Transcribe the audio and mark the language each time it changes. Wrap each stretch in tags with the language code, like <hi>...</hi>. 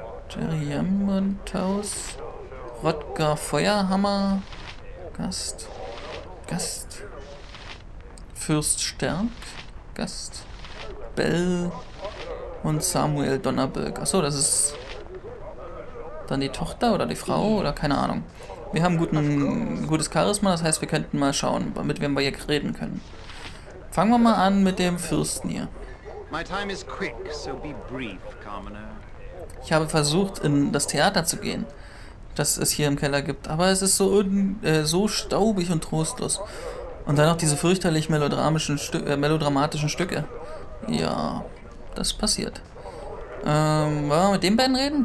<de>Jerry Amundhaus. Rodger Feuerhammer. Gast. Gast. Fürst Stärk. Gast. Bell. Und Samuel Donnerberg. Achso, das ist dann die Tochter oder die Frau oder keine Ahnung. Wir haben gutes Charisma, das heißt, wir könnten mal schauen, damit wir hier reden können. Fangen wir mal an mit dem Fürsten hier.</de> <en>My time is quick, so be brief, Commoner.</en> <de>Ich habe versucht, in das Theater zu gehen, das es hier im Keller gibt, aber es ist so staubig und trostlos. Und dann noch diese fürchterlich melodramatischen Stücke. Ja, das passiert. Wollen wir mit den beiden reden?</de>